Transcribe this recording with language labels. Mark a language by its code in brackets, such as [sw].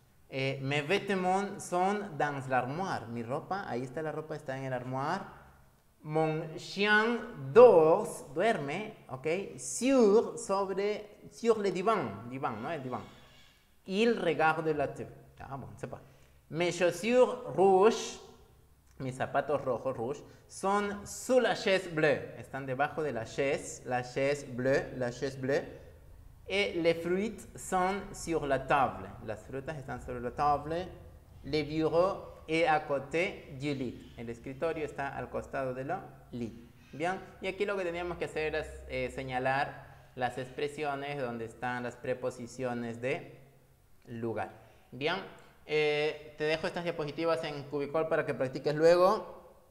[fr] Mes vêtements sont dans l'armoire. [es] Mi ropa, ahí está la ropa, está en el armoire. [fr] Mon chien dort, duerme, ok, sur le divan, divan, ¿no? El divan. Il regarde la TV. [es] Ah, bueno, sepa. [fr] Mes chaussures rouges, [es] mis zapatos rojos, [fr] rouge, son sous la chaise bleue. [es] Están debajo de [fr] la chaise bleue. Et les fruits sont sur la table. [es] Las frutas están sobre la table. [fr] Le bureau est à côté du lit. [es] El escritorio está al costado de la lit. Bien. Y aquí lo que teníamos que hacer es señalar las expresiones donde están las preposiciones de lugar. Bien. Te dejo estas diapositivas en Cubicol para que practiques luego.